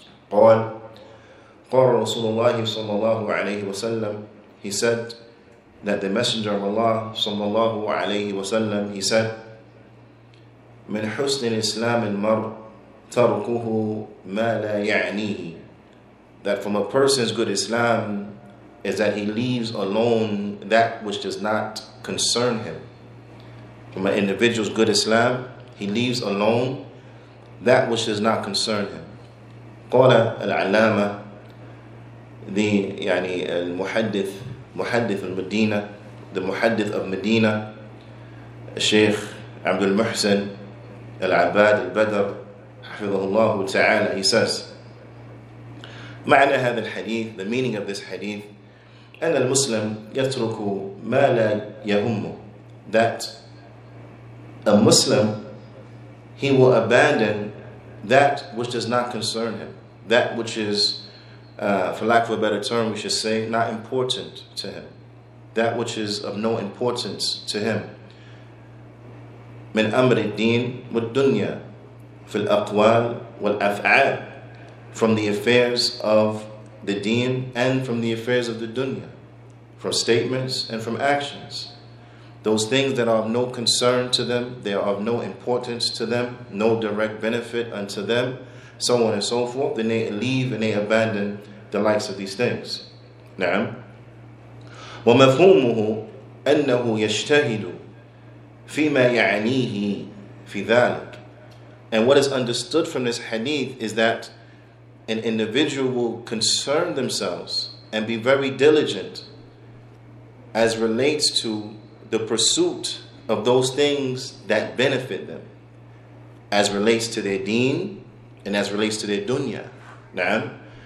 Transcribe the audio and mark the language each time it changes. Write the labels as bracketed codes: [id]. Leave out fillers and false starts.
[en] Qala Rasulullah sallallahu alayhi wa sallam, he said that the Messenger of Allah sallallahu alayhi wa sallam, he said, من حسن الإسلام المرء تركه ما لا يعنيه. That from a person's good Islam is that he leaves alone that which does not concern him. From an individual's good Islam, he leaves alone that which does not concern him. [ar] قال العلامة the يعني المحدث محدث المدينة the محدث of Medina الشيخ عبد المحسن العباد البدر حفظه الله تعالى. [en] He says معنى هذا الحديث, the meaning of this hadith, أن المسلم يترك ما لا يهمه, that a Muslim, he will abandon that which does not concern him, that which is, for lack of a better term, we should say, not important to him, that which is of no importance to him. من أمر الدين والدنيا في الأقوال والأفعال, from the affairs of the deen and from the affairs of the dunya, from statements and from actions. Those things that are of no concern to them, they are of no importance to them, no direct benefit unto them, so on and so forth, then they leave and they abandon the likes of these things. [ar] نعم. ومفهومه أنه يجتهد فيما يعنيه في ذلك. [en] And what is understood from this hadith is that an individual will concern themselves and be very diligent as relates to the pursuit of those things that benefit them, as relates to their deen and as relates to their dunya. Na'am.